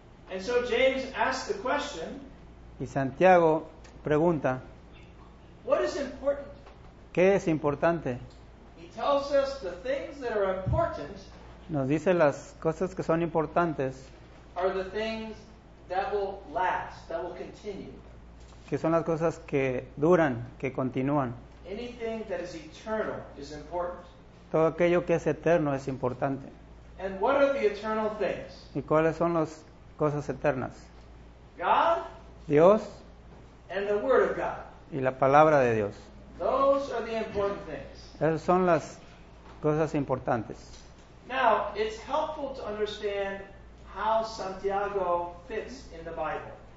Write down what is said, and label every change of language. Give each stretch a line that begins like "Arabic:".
English: And so James asks the question.
Spanish: Y Santiago pregunta.
English: What is important?
Spanish: ¿Qué es importante?
English: He tells us the things that are important.
Spanish: Nos dice las cosas que son importantes.
English: Are the things that will last, that will continue.
Spanish: Que son las cosas que duran, que continúan.
English: Anything that is eternal is important.
Spanish: Todo aquello que es eterno es importante.
English: And what are the eternal things?
Spanish: ¿Y cuáles son las cosas eternas?
English: God,
Spanish: Dios,
English: and the word of God.
Spanish: Y la palabra de Dios.
English: Those are the important things.
Spanish: Esas son las cosas importantes.
English: Now, it's helpful to understand how Santiago fits in the Bible.